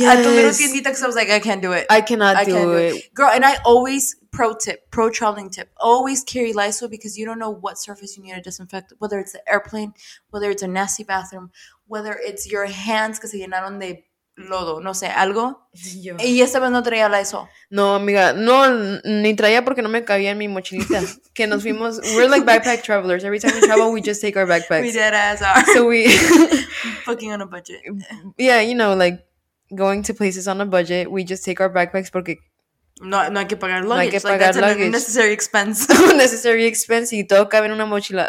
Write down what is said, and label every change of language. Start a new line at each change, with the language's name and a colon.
English: At the little tiendita because I was like, I can't do it. I cannot do it. Girl, and I always, pro traveling tip, always carry Lysol because you don't know what surface you need to disinfect, whether it's the airplane, whether it's a nasty bathroom, whether it's your hands because they're not on the
Spanish: lodo, no sé, algo. Yo. Y esta vez no traía la eso. No, amiga, no, ni traía porque no me cabía en mi mochilita. Que nos fuimos,
English: we're like backpack travelers. Every time we travel, we just take our backpacks. We dead ass are. So we... fucking on a budget. Yeah, you know, like, going to places on a budget, we just take our backpacks
Spanish: porque... No hay que pagar luggage. No hay que pagar
English: like, that's luggage. That's a necessary expense. Necessary expense
Spanish: y todo cabe en una mochila.